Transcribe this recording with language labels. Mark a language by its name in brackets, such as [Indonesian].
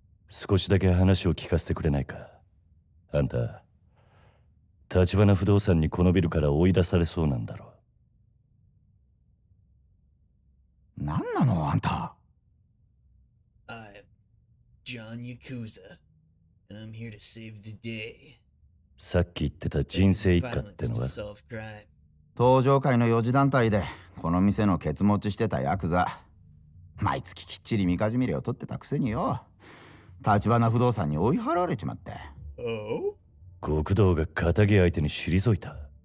[Japanese] 少しだけ話を聞かせてくれないか。あんた、立花不動産にこのビルから追い出されそうなんだろう。何なの、あんた。 [English] I'm John Yakuza, and I'm here to save the day. [Japanese] さっき言ってた人生一家ってのは、登場会の四次団体でこの店のケツ持ちしてたヤクザ。毎月きっちりみかじめ料を取ってたくせによ。立花不動産に追い払われちまって。極道が仇相手に退いた。